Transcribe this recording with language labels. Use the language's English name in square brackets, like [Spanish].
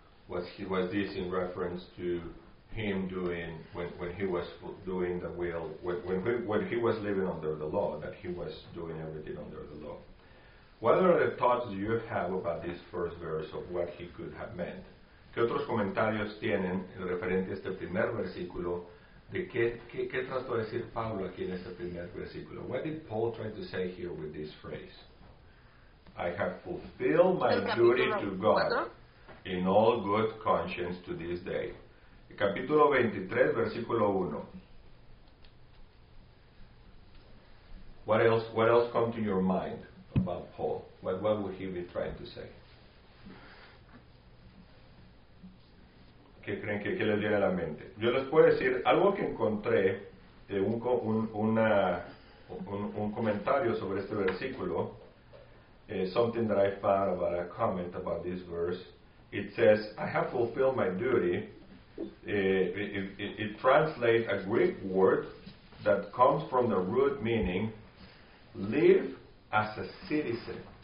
[English] was this in reference to him doing when he was doing the will when he was living under the law, that he was doing everything under the law. What are the thoughts you have about this first verse of what he could have meant? [Spanish] ¿Qué otros comentarios tienen referente a este primer versículo? ¿De qué trató de decir Pablo aquí en este primer versículo? [English] What did Paul try to say here with this phrase? I have fulfilled my duty to God in all good conscience to this day. [Spanish] Capítulo 23, versículo 1. [English] What else come to your mind about Paul? What would he be trying to say? [Spanish] ¿Qué creen que les viene a la mente? Yo les puedo decir algo que encontré de un comentario sobre este versículo. [English] Something that I found about a comment about this verse. It says, I have fulfilled my duty. It translates a Greek word that comes from the root meaning live as a citizen.